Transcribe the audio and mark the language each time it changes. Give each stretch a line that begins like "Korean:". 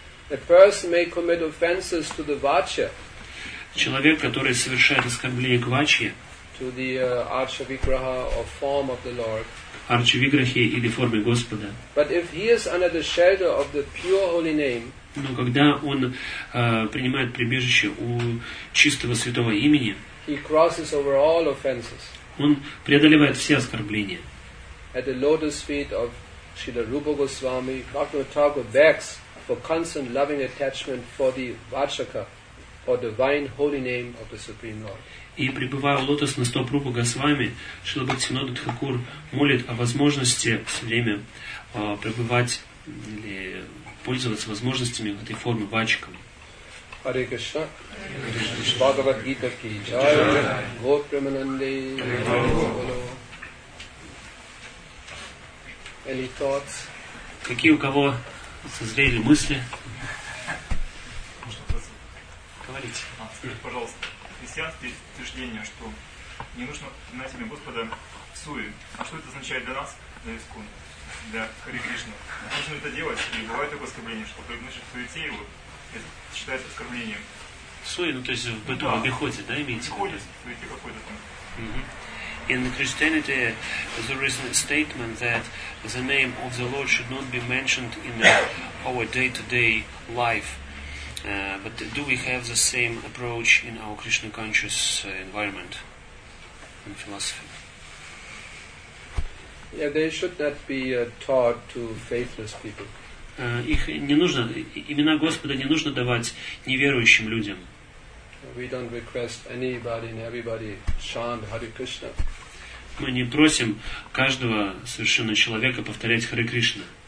English: A person may commit offenses to the vacha.
Russian: Человек, который совершает оскорбление к вачье,
English: to the archavigraha or form of the Lord.
Russian: Арчавиграхи или формы Господа.
English: But if he is under the shelter of the pure holy name.
Russian: Но когда он принимает прибежище у чистого святого имени,
English: he crosses over all offenses.
Russian: Он преодолевает все оскорбления.
English: At the lotus feet of Srila Rupa Goswami, Bhaktivinoda Thakur begs for constant loving attachment for the Vachaka, for the divine holy name of the Supreme Lord.
Russian: И пребывая у лотосных стоп Рупы Госвами, Шрила Бхактивинода Тхакур молит о возможности все время пребывать или пользоваться возможностями в этой форме Вачака.
English: Hare Krishna.
Hindi: Bhagavad Gita ki jai.
Sanskrit: Gaur Premanande.
English: Any thoughts?
Russian: Какие у кого созрели мысли? Говорите. Скажите, пожалуйста, христианское утверждение, что не нужно знать имя Господа в суе. А что это означает для нас, на Искон, для Хари Кришны? Нужно это делать, или бывает такое оскорбление, что произносишь в суете его, это считается оскорблением. В суе, ну то есть в быту, да, в обиходе, да, имеется? В обиходе, в суете какой-то там.
English: In Christianity, there is a statement that the name of the Lord should not be mentioned in our day-to-day life. But do we have the same approach in our Krishna conscious environment and philosophy? Yeah, they should not be taught to faithless people.
Russian: Их не нужно, имена Господа не нужно давать неверующим людям.
English: We don't request anybody and everybody chant Hare Krishna.
Russian: Мы не просим каждого совершенно человека повторять Харе Кришна.